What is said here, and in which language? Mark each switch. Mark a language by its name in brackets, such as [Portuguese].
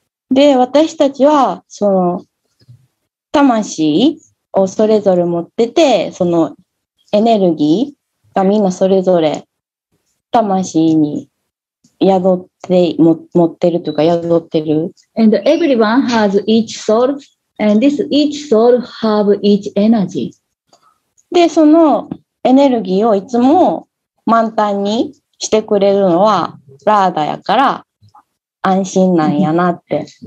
[Japanese] で、私たちはその魂をそれぞれ持ってて、そのエネルギーがみんなそれぞれ魂に宿って持ってるというか宿ってる。 [English] And everyone has each soul, and this each soul have each energy. [Japanese] で、そのエネルギーをいつも満タンにしてくれるのはラーダやから安心なんやなって。